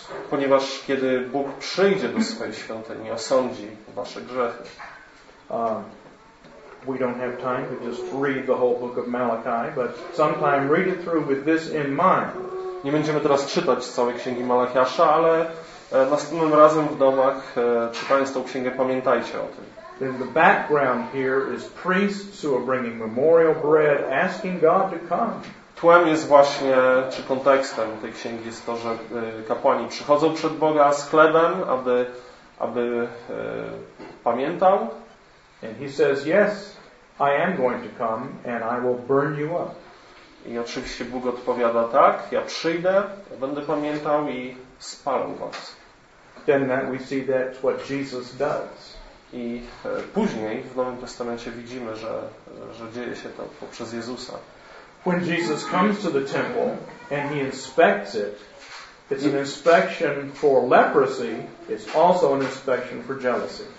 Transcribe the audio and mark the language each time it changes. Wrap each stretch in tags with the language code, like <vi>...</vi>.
<pl>Ponieważ kiedy Bóg przyjdzie do swojej świątyni, osądzi wasze grzechy.</pl> <en>We don't have time to just read the whole book of Malachi, but sometime read it through with this in mind.</en> <pl>Nie będziemy teraz czytać całej księgi Malachiasza, ale następnym razem w domach, czytając tą księgę, pamiętajcie o tym.</pl> <en>Then the background here is priests who are bringing memorial bread, asking God to come.</en> <pl>Tłem jest właśnie, czy kontekstem tej księgi jest to, że kapłani przychodzą przed Boga z chlebem, aby pamiętał.</pl> <en>And he says, yes, I am going to come and I will burn you up.</en> <pl>I oczywiście Bóg odpowiada, tak, ja przyjdę, ja będę pamiętał i spalę was.</pl> <en>Then that we see that's what Jesus does.</en> <pl>I później w Nowym Testamencie widzimy, że dzieje się to poprzez Jezusa.</pl> <en>When Jesus comes to the temple and he inspects it, it's an inspection for leprosy, it's also an inspection for jealousy.</en>